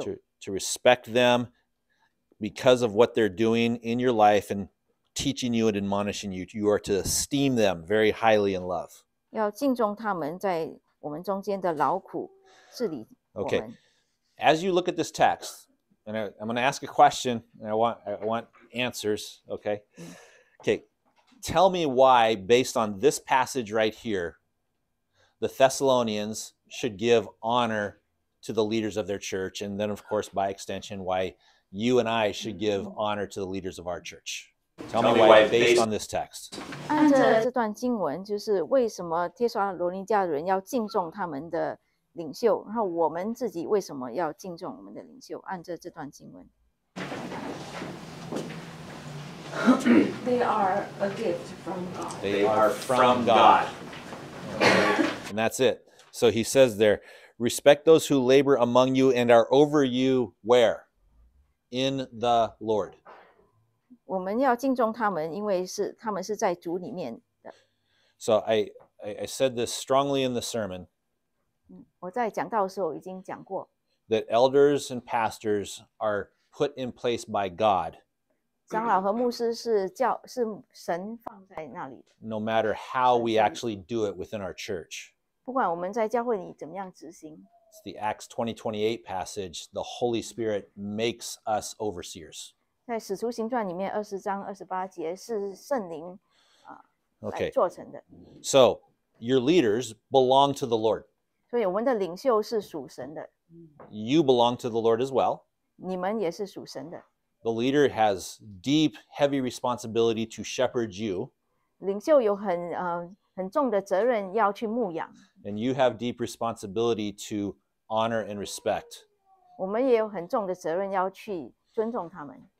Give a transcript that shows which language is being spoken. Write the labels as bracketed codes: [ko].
[en] To respect them because of what they're doing in your life and teaching you and admonishing you, you are to esteem them very highly in love. [zh] 要敬重他们在我们中间的劳苦，治理我们。 [en] Okay. As you look at this text, and I'm going to ask a question, and I want answers, okay? Okay. Tell me why, based on this passage right here, the Thessalonians should give honor to the leaders of their church, and then, of course, by extension, why you and I should give honor to the leaders of our church. Tell me why, based on this text. [zh] 按照这段经文，就是为什么帖撒罗尼迦人要敬重他们的领袖，然后我们自己为什么要敬重我们的领袖？按照这段经文 [en] ，They are a gift from God. They are from God. And that's it. So he says there, respect those who labor among you and are over you, where? In the Lord. [zh] 我们要敬重他们，因为是他们是在主里面的。 [en] So I said this strongly in the sermon. [zh] 我在讲道的时候已经讲过。 [en] That elders and pastors are put in place by God. [zh] 长老和牧师是教是神放在那里的。 [en] No matter how we actually do it within our church. [zh] 不管我们在教会里怎么样执行 [en] ，It's the Acts 20:28 passage. The Holy Spirit makes us overseers. [zh] 在《使徒行传》里面二十章二十八节是圣灵 [en] ，okay. [zh] 来做成的。 [en] So your leaders belong to the Lord. [zh] 所以我们的领袖是属神的。 [en] You belong to the Lord as well. [zh] 你们也是属神的。 [en] The leader has deep, heavy responsibility to shepherd you. [zh] 领袖有很很重的责任要去牧养。 [en] And you have deep responsibility to honor and respect. [zh] 我们也有很重的责任要去尊重他们。